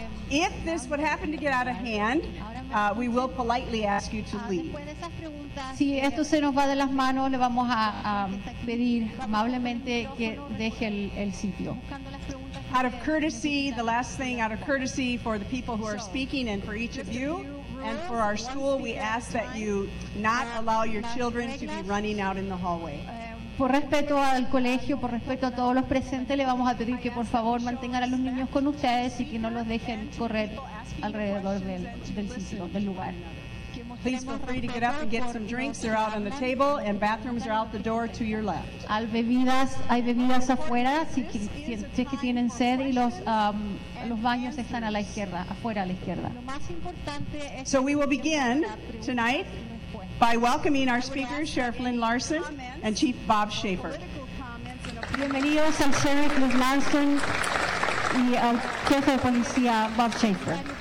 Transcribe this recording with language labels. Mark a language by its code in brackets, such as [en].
[en] If this would happen to get out of hand, we will politely ask you to leave. [es] Si esto se nos va de las manos, le vamos a pedir amablemente que deje el sitio. [en] Out of courtesy, the last thing, out of courtesy for the people who are speaking and for each of you and for our school, we ask that you not allow your children to be running out in the hallway. [es] Por respeto al colegio, por respeto a todos los presentes, le vamos a pedir que por favor mantengan a los niños con ustedes y que no los dejen correr alrededor del sitio, del lugar. [en] Please feel free to get up and get some drinks. They're out on the table, and bathrooms are out the door to your left. [es] Hay bebidas afuera, si es que tienen sed, y los baños están a la izquierda, afuera a la izquierda. [en] So we will begin tonight by welcoming our speakers, Sheriff Lynn Larson and Chief Bob Schaefer. [es] Bienvenidos al Sheriff Lynn Larson y al Jefe de Policía Bob Schaefer.